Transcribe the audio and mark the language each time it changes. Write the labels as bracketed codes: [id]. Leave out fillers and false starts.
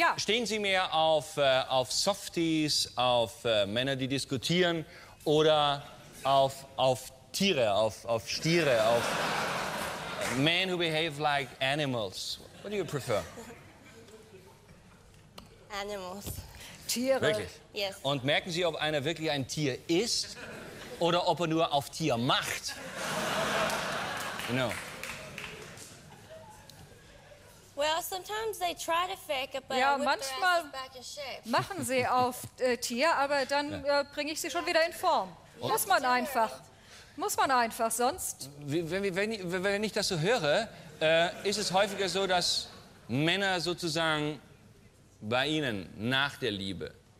[de] Stehen Sie mehr auf Softies, auf Männer, die diskutieren, oder auf Tiere, auf Stiere, auf [en] men who behave like animals. What do you prefer? Animals. [de] Tiere. Wirklich? [en] Yes. [de] Und merken Sie, ob einer wirklich ein Tier ist oder ob er nur auf Tier macht? [en] You know. Well, sometimes they try to fake it, but [de] ja, manchmal machen sie auf Tier, aber dann bringe ich sie schon wieder in Form. [en] Yes. [de] Muss man einfach. Muss man einfach, sonst Wenn ich das so höre, ist es häufiger so, dass Männer sozusagen bei Ihnen nach der Liebe